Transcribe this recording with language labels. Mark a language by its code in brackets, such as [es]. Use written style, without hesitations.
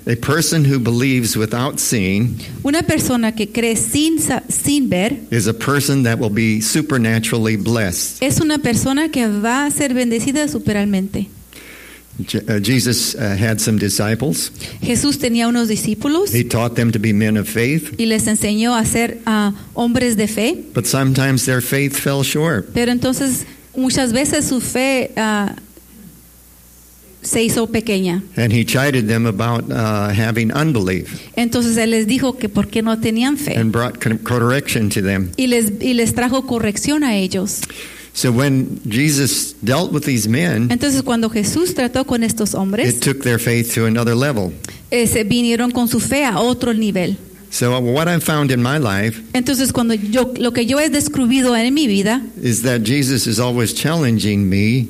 [en] a person who believes without seeing, [es] una persona que cree sin ver, [en] is a person that will be supernaturally blessed. [es] Es una persona que va a ser bendecida superalmente. [en] Jesus had some disciples. [es] Jesús tenía unos discípulos. [en] He taught them to be men of faith. [es] Y les enseñó a ser hombres de fe. [en] But sometimes their faith fell short. [es] Pero entonces muchas veces su fe se hizo pequeña. [en] And he chided them about having unbelief. [es] Entonces él les dijo que por qué no tenían fe. [en] And brought correction to them. [es] Y les trajo corrección a ellos. [en] So when Jesus dealt with these men, [es] entonces cuando Jesús trató con estos hombres, [en] it took their faith to another level. [es] Se vinieron con su fe a otro nivel. [en] So what I've found in my life, [es] entonces cuando yo lo que yo he descubierto en mi vida, [en] is that Jesus is always challenging me.